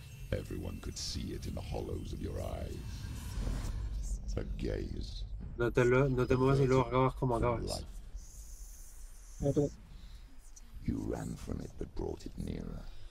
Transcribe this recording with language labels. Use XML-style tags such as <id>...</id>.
<en>Everyone could see it in the hollows of your eyes. A gaze.</en> <es>No te muevas y luego acabas como acabas.</es> <en>You ran from it but brought it nearer.</en>